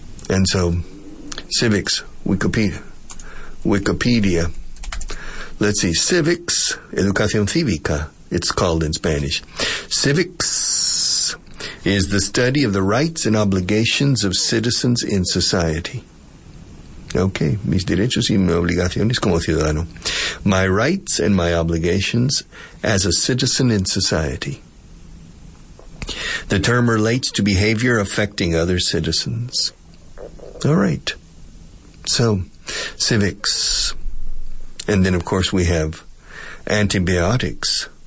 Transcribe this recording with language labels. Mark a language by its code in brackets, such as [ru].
[en] And so, civics, Wikipedia. Wikipedia. Let's see, civics, [es] educación cívica, [en] it's called in Spanish. Civics is the study of the rights and obligations of citizens in society. [es] Okay, mis derechos y mis obligaciones como ciudadano. [en] My rights and my obligations as a citizen in society. The term relates to behavior affecting other citizens. All right. So, civics. And then, of course, we have antibiotics.